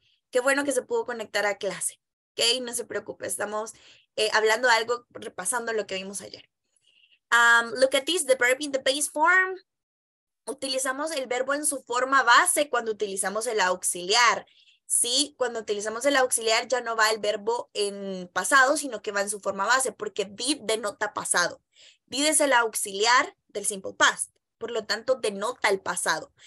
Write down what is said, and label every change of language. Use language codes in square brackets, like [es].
[es] Qué bueno que se pudo conectar a clase. Okay, no se preocupe. Estamos hablando de algo, repasando lo que vimos ayer. [en] Look at this, the verb in the base form. [es] Utilizamos el verbo en su forma base cuando utilizamos el auxiliar. Sí, cuando utilizamos el auxiliar ya no va el verbo en pasado, sino que va en su forma base, porque did denota pasado. Did es el auxiliar del simple past, por lo tanto denota el pasado.